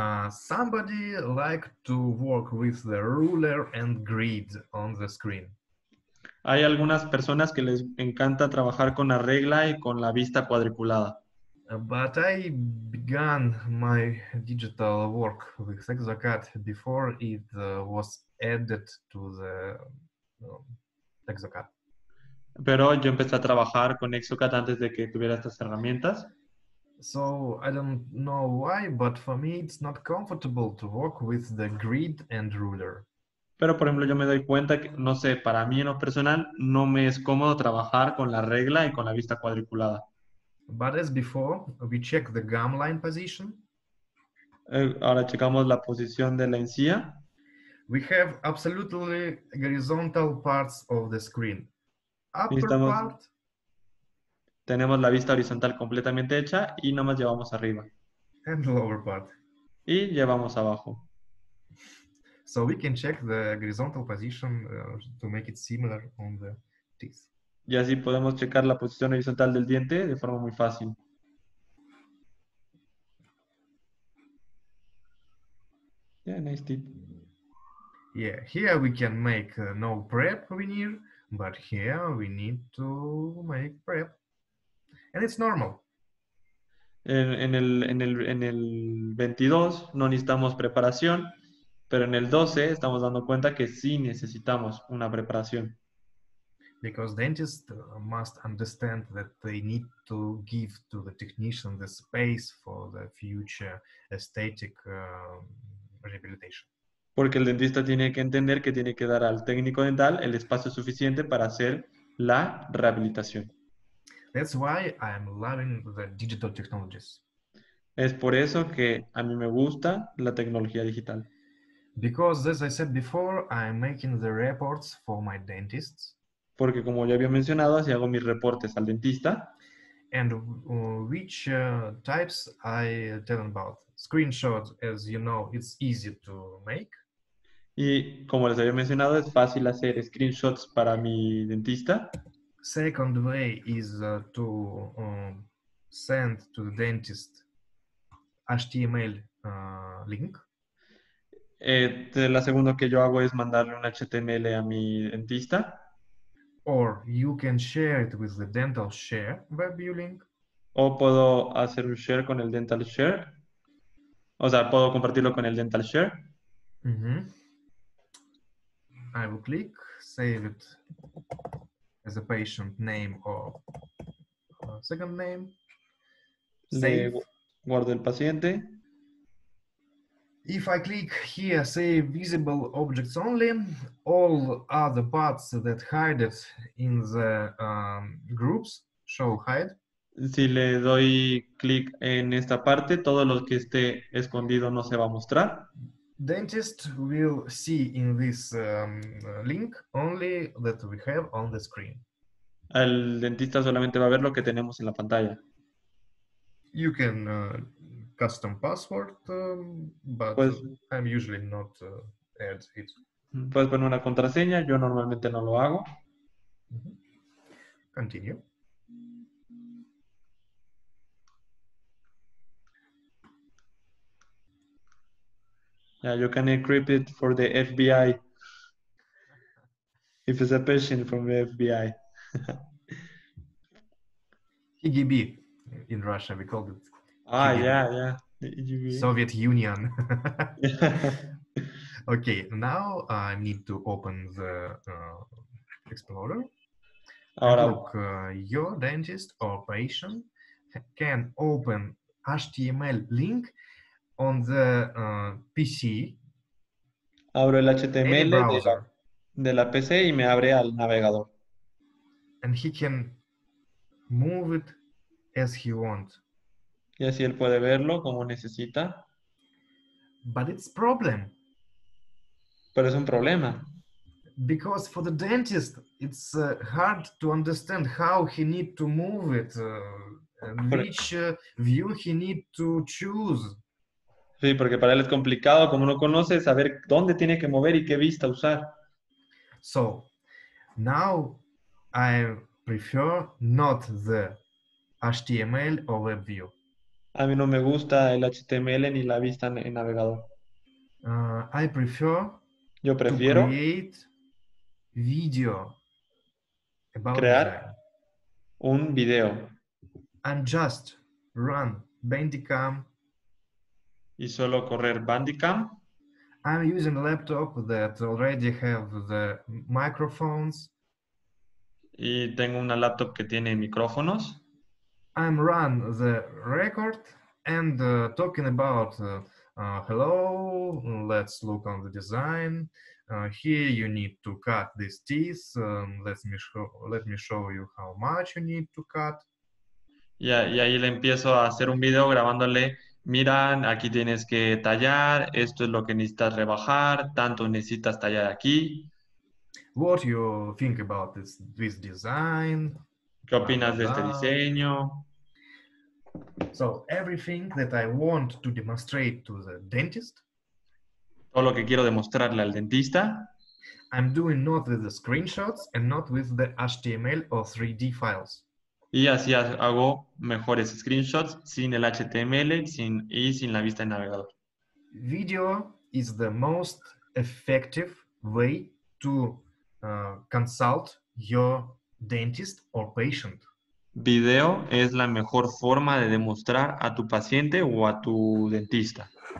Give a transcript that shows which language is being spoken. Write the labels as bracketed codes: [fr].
[en] Somebody like to work with the ruler and grid on the screen. [es] Hay algunas personas que les encanta trabajar con la regla y con la vista cuadriculada. [en] But I began my digital work with ExoCAD before it was added to the ExoCAD. [es] Pero yo empecé a trabajar con ExoCAD antes de que tuviera estas herramientas. [en] So I don't know why, but for me it's not comfortable to work with the grid and ruler. [es] Pero por ejemplo yo me doy cuenta que, no sé, para mí en lo personal no me es cómodo trabajar con la regla y con la vista cuadriculada. [en] But as before, we check the gum line position. [es] Ahora checamos la posición de la encía. [en] We have absolutely horizontal parts of the screen. [es] Tenemos la vista horizontal completamente hecha y nomás llevamos arriba. [en] And lower part. [es] Y llevamos abajo. [en] So we can check the horizontal position to make it similar on the teeth. [es] Y así podemos checar la posición horizontal del diente de forma muy fácil. [en] Yeah, nice tip. Yeah, here we can make no prep veneer. But here we need to make prep, and it's normal. [es] En el 22 no necesitamos preparación, pero en el 12 estamos dando cuenta que sí necesitamos una preparación. [en] Because dentists must understand that they need to give to the technician the space for the future aesthetic rehabilitation. [es] Porque el dentista tiene que entender que tiene que dar al técnico dental el espacio suficiente para hacer la rehabilitación. [en] That's why I'm loving the digital technologies. [es] Es por eso que a mí me gusta la tecnología digital. [en] Because, as I said before, I'm making the reports for my dentists. [es] Porque como ya había mencionado, así hago mis reportes al dentista. [en] And which types I tell about. Screenshot, as you know, it's easy to make. [es] Y como les había mencionado, es fácil hacer screenshots para mi dentista. [en] Second way is to send to the dentist HTML link. [es] La segunda que yo hago es mandarle un HTML a mi dentista. [en] Or you can share it with the dental share web view link. [es] O puedo hacer un share con el dental share. O sea, puedo compartirlo con el dental share. [en] Mm-hmm. I will click save it as a patient name or second name. [es] Save. Guardo el paciente. [en] If I click here, save visible objects only, all other parts that hide it in the groups show hide. [es] Si le doy clic en esta parte, todo lo que esté escondido no se va a mostrar. [en] Dentist will see in this link only that we have on the screen. [es] El dentista solamente va a ver lo que tenemos en la pantalla. [en] You can custom password, but pues, I'm usually not add it. [es] Puedes poner una contraseña, yo normalmente no lo hago. [en] Continue. Yeah, you can encrypt it for the FBI. If it's a patient from the FBI. KGB in Russia, we called it. Ah, KGB. Yeah, yeah. Soviet Union. Okay, now I need to open the Explorer. [es] Ahora, [en] look, your dentist or patient can open HTML link on the PC. [es] Abro el HTML de la PC y me abre al navegador. [en] And he can move it as he wants. [es] Y así él puede verlo como necesita. [en] But it's a problem. [es] Pero es un problema. [en] Because for the dentist, it's hard to understand how he need to move it, which view he need to choose. [es] Sí, porque para él es complicado, como no conoce, saber dónde tiene que mover y qué vista usar. [en] So, now I prefer not the HTML or web view. [es] A mí no me gusta el HTML ni la vista en navegador. [en] I prefer [es] Yo prefiero [en] to create video [es] about crear un video. [en] And just run Bandicam. [es] Y solo correr Bandicam. [en] I'm using a laptop that already have the microphones. [es] Y tengo una laptop que tiene micrófonos. [en] I'm run the record and talking about hello, let's look on the design. Here you need to cut these teeth. Let me show you how much you need to cut. [es] Yeah, y ahí le empiezo a hacer un video grabándole. Mira, aquí tienes que tallar, esto es lo que necesitas rebajar, tanto necesitas tallar aquí. [en] What you think about this design? [es] ¿Qué opinas de este diseño? [en] So, everything that I want to demonstrate to the dentist. [es] Todo lo que quiero demostrarle al dentista. [en] I'm doing not with the screenshots and not with the HTML or 3D files. [es] Y así hago mejores screenshots sin el HTML sin la vista de navegador. [en] Video is the most effective way to consult your dentist or patient. [es] Video es la mejor forma de demostrar a tu paciente o a tu dentista.